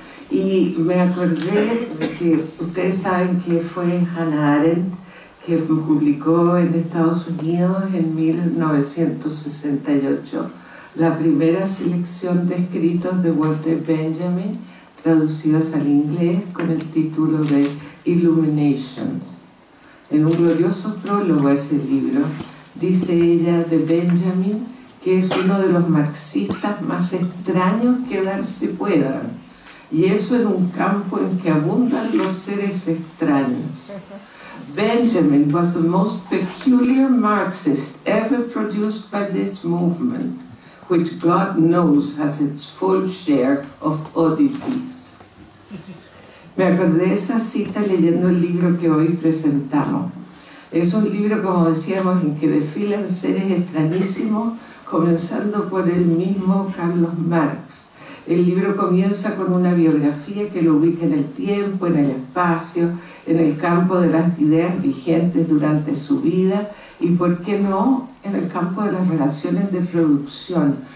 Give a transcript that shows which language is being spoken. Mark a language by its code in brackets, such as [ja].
[es] Y me acordé de que ustedes saben que fue Hannah Arendt que publicó en Estados Unidos en 1968 la primera selección de escritos de Walter Benjamin traducidos al inglés con el título de Illuminations. En un glorioso prólogo a ese libro, dice ella de Benjamin que es uno de los marxistas más extraños que darse puedan, y eso en un campo en que abundan los seres extraños. [en] Benjamin was the most peculiar Marxist ever produced by this movement, which God knows has its full share of oddities. [es] Me acordé de esa cita leyendo el libro que hoy presentamos. Es un libro, como decíamos, en que desfilan seres extrañísimos, comenzando por el mismo Carlos Marx. El libro comienza con una biografía que lo ubica en el tiempo, en el espacio, en el campo de las ideas vigentes durante su vida y, ¿por qué no?, en el campo de las relaciones de producción.